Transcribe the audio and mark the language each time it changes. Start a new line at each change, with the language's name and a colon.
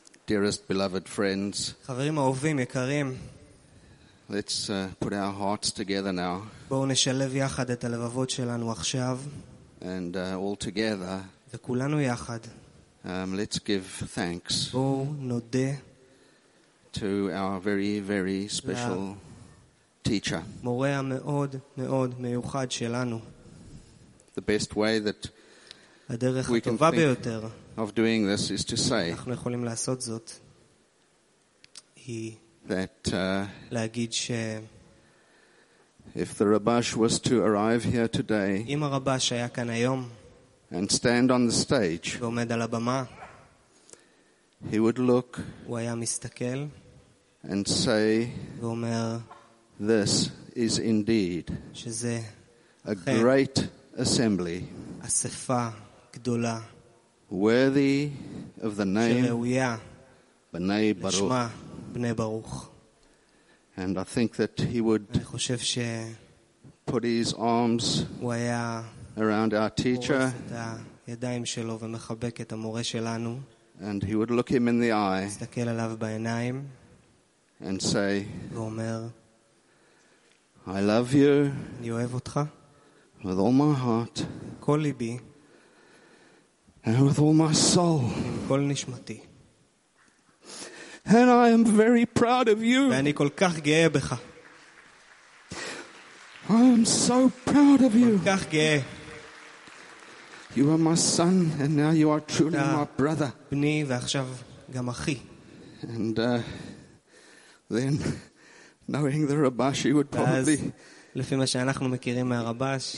English: Dearest beloved friends.
Hebrew: חברים אהובים יקרים.
English: Let's put our hearts together now.
Hebrew: בואו נשלב יחד את הלבבות שלנו עכשיו.
English: And all together.
Hebrew: וכולנו יחד.
English: Let's give thanks to our very very special teacher.
Hebrew: מורה מאוד מאוד מיוחד שלנו.
English: The best way that
Hebrew: הדרך הטובה ביותר
English: of doing this is to say
Hebrew: אנחנו יכולים לעשות זאת
English: that
Hebrew: להגיד ש
English: if the rabash was to arrive here today
Hebrew: אם הרבש היה כאן היום
English: and stand on the stage
Hebrew: ועומד על הבמה
English: he would look
Hebrew: הוא היה מסתכל
English: and say
Hebrew: ואומר
English: this is indeed
Hebrew: שזה
English: a great assembly
Hebrew: אספה גדולה
English: worthy of the name
Hebrew: שראויה בני ברוך לשמה בני ברוך
English: and I think that he would
Hebrew: אני חושב ש
English: put his arms
Hebrew: הוא היה
English: around our teacher
Hebrew: ידיים שלו ומחבק את המורה שלנו
English: and he would look him in the eye
Hebrew: מסתכל עליו בעיניים
English: and say
Hebrew: ואומר
English: I love you
Hebrew: אני אוהב אותך
English: with all my heart
Hebrew: כל ליבי
English: and with all my soul
Hebrew: עם כל נשמתי
English: and I am very proud of you
Hebrew: ואני כל כך גאה בך
English: I am so proud of you
Hebrew: כל כך גאה
English: You are my son and now you are truly my brother.
Hebrew: בני ועכשיו גם אחי.
English: And then knowing the rabash would probably
Hebrew: לפי מה שאנחנו מכירים מהרבש